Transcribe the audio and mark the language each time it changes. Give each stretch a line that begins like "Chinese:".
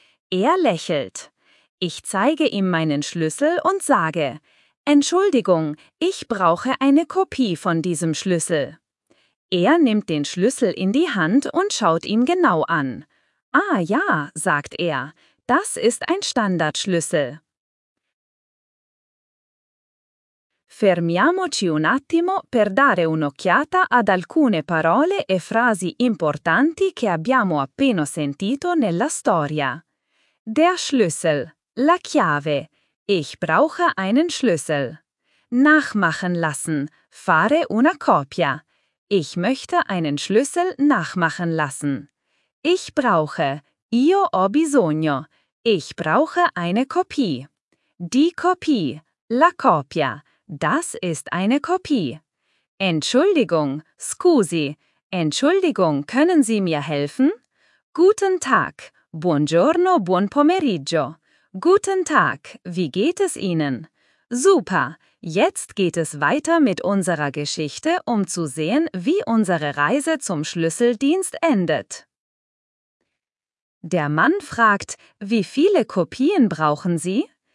German: Er lächelt. Ich zeige ihm meinen Schlüssel und sage: Entschuldigung, ich brauche eine Kopie von diesem Schlüssel. Er nimmt den Schlüssel in die Hand und schaut ihn genau an. Ah ja, sagt er, das ist ein Standardschlüssel.
Italian: Fermiamoci un attimo per dare un'occhiata ad alcune parole e frasi importanti che abbiamo appena sentito nella storia.
German: Der Schlüssel,
Italian: la chiave.
German: Ich brauche einen Schlüssel. Nachmachen lassen,
Italian: fare una copia.
German: Ich möchte einen Schlüssel nachmachen lassen. Ich brauche,
Italian: io ho bisogno.
German: Ich brauche eine Kopie. Die Kopie,
Italian: la copia.
German: Das ist eine Kopie. Entschuldigung,
Italian: scusi.
German: Entschuldigung, können Sie mir helfen? Guten Tag.
Italian: Buongiorno, buon pomeriggio.
German: Guten Tag, wie geht es Ihnen? Super, jetzt geht es weiter mit unserer Geschichte, um zu sehen, wie unsere Reise zum Schlüsseldienst endet. Der Mann fragt, wie viele Kopien brauchen Sie?